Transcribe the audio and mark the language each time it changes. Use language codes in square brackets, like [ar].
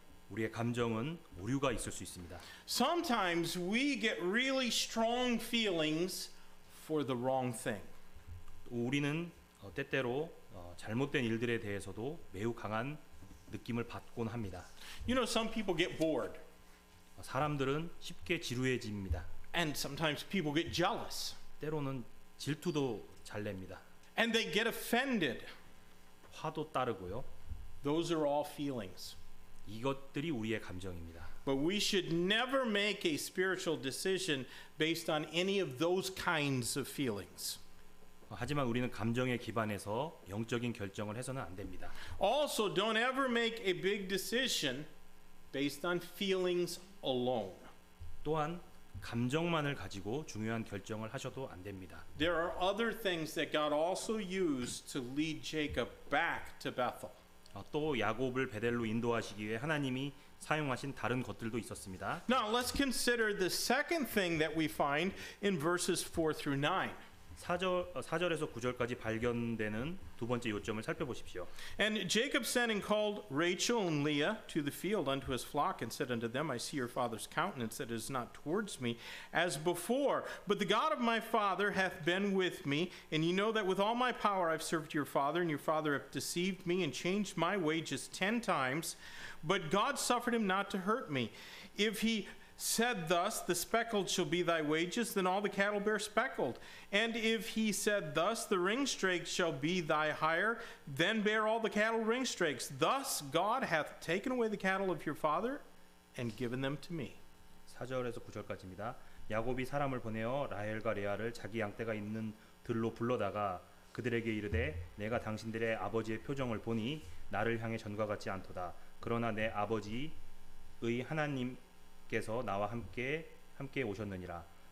[ko] 우리의 감정은 오류가 있을 수 있습니다. [en] Sometimes we get really strong feelings for the wrong thing. [ko] 우리는 때때로 잘못된 일들에 대해서도 매우 강한 느낌을 받곤 합니다. [en] You know, some people get bored. [ko] 사람들은 쉽게 지루해집니다. [en] And sometimes people get jealous. [ko] 때로는 질투도 잘 냅니다. [en] And they get offended. [ko] 화도 따르고요. [en] Those are all feelings. [ko] 이것들이 우리의 감정입니다. [en] But we should never make a spiritual decision based on any of those kinds of feelings. [ko] 하지만 우리는 감정에 기반해서 영적인 결정을 해서는 안 됩니다. [en] Also, don't ever make a big decision based on feelings alone. [ko] 또한 감정만을 가지고 중요한 결정을 하셔도 안 됩니다. [en] There are other things that God also used to lead Jacob back to Bethel. [ko] 또 야곱을 베델로 인도하시기 위해 하나님이 사용하신 다른 것들도 있었습니다. [en] Now let's consider the second thing that we find in verses 4 through 9. [ko] 4절에서 9절까지 발견되는 두 번째 요점을 살펴보십시오. [en] And Jacob sent and called Rachel and Leah to the field unto his flock and said unto them, I see your father's countenance that is not towards me as before, but the God of my father hath been with me, and you know that with all my power I've served your father, and your father hath deceived me and changed my wages 10 times, but God suffered him not to hurt me. If he said thus, the speckled shall be thy wages, then all the cattle bear speckled. And if he said thus, the ringstrake shall be thy hire, then bear all the cattle ringstrakes. Thus God hath taken away the cattle of your father and given them to me. [ko] 4절에서 9절까지입니다. 야곱이 사람을 보내어 라헬과 레아를 자기 양떼가 있는 들로 불러다가 그들에게 이르되 내가 당신들의 아버지의 표정을 보니 나를 향해 전과 같지 않도다. 그러나 내 아버지의 하나님 께서 나와 함께 오셨느니라.